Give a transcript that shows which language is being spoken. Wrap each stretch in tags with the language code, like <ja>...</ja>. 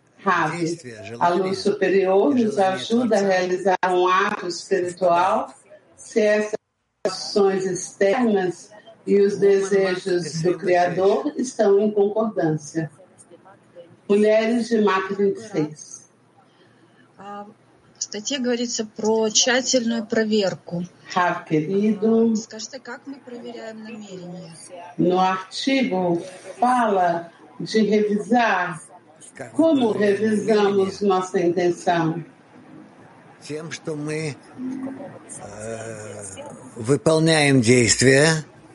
<pt>Rabi, a luz superior nos ajuda a realizar um ato espiritual se essas ações externas e os desejos do Criador estão em concordância. Mulheres de Marco 26.</pt> <ru>В статье говорится про тщательную проверку.</ru> <pt>Querido,</pt> <ru>скажите, как мы проверяем намерения?</ru> <pt>No artigo fala de revisar, como revisamos nossa intenção?</pt> <ru>Тем, что мы выполняем действия,</ru>